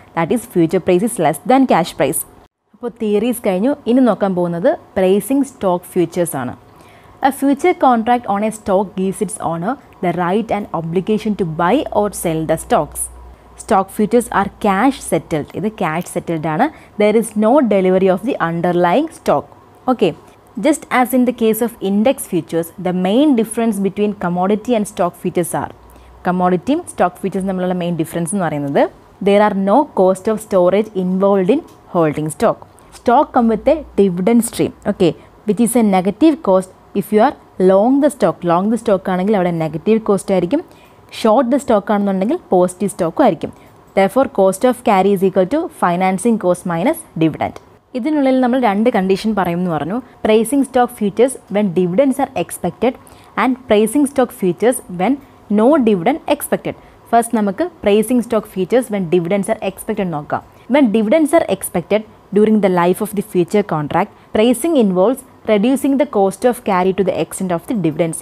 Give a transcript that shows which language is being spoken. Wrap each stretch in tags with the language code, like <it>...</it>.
<en>That is future price is less than cash price.</en> <ml>അപ്പോൾ theories കഴിഞ്ഞു, ഇനി നോക്കാൻ പോകുന്നത് പ്രൈസിങ് സ്റ്റോക്ക് ഫ്യൂച്ചേഴ്സ് ആണ്.</ml> <en>A future contract on a stock gives its owner the right and obligation to buy or sell the stocks. Stock futures are cash settled.</en> <ml>ഇത് cash settled ആണ്.</ml> <en>There is no delivery of the underlying stock. Okay, just as in the case of index futures, the main difference between commodity and stock futures are commodity stock futures</en> <ml>nammalla main difference nu parayunnathu</ml> <en>there are no cost of storage involved in holding stock. Stock come with a dividend stream, okay, which is a negative cost if you are long the stock</en> <ml>aanengil avada negative cost aayirikkum.</ml> <en>Short the stock</en> <ml>aanundengil positive stock aayirikkum.</ml> <en>Therefore cost of carry is equal to financing cost minus dividend.</en> <ml>ഇതിനുള്ളിൽ നമ്മൾ രണ്ട് condition പറയുമെന്ന് പറഞ്ഞു.</ml> <en>Pricing stock futures when dividends are expected and pricing stock futures when no dividend expected.</en> <ml>First നമുക്ക് pricing stock futures when dividends are expected നോക്കാം.</ml> <en>When dividends are expected during the life of the future contract, pricing involves reducing the cost of carry to the extent of the dividends.</en>